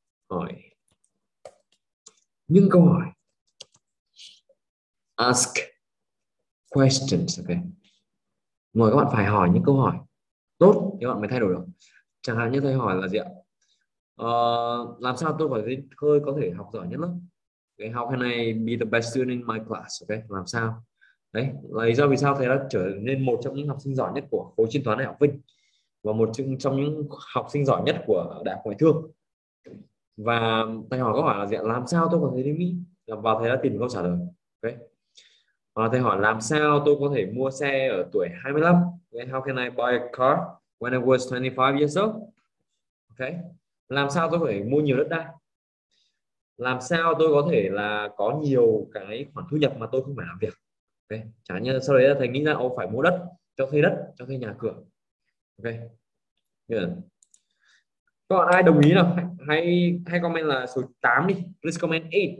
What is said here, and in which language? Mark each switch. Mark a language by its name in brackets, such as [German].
[Vietnamese] Hỏi. Những câu hỏi. [English] Ask questions. Ok. [Vietnamese] Mọi các bạn phải hỏi những câu hỏi tốt thì bạn mới thay đổi được. Chẳng hạn như thầy hỏi là gì ạ? Làm sao tôi phải hơi có thể học giỏi nhất lớp? [English] Okay, how can I be the best student in my class? [Vietnamese] Okay, làm sao? Đấy, lý do vì sao thầy đã trở nên một trong những học sinh giỏi nhất của khối chuyên toán đại học Vinh và một trong những học sinh giỏi nhất của đại học Ngoại thương. Và thầy hỏi câu hỏi là gì ạ? Làm sao tôi có thể đi Mỹ? Và thầy đã tìm câu trả lời. Okay. Và thầy hỏi làm sao tôi có thể mua xe ở tuổi 25? [English] Okay, how can I buy a car when I was 25 years old? Okay. [Vietnamese] Làm sao tôi có thể mua nhiều đất đai? Làm sao tôi có thể là có nhiều cái khoản thu nhập mà tôi không phải làm việc? Okay. Chẳng như sau đấy thầy nghĩ ra ông phải mua đất, cho thuê đất, cho thuê nhà cửa. Okay. Các bạn ai đồng ý nào? Hãy comment là số 8 đi. [English] Please comment 8.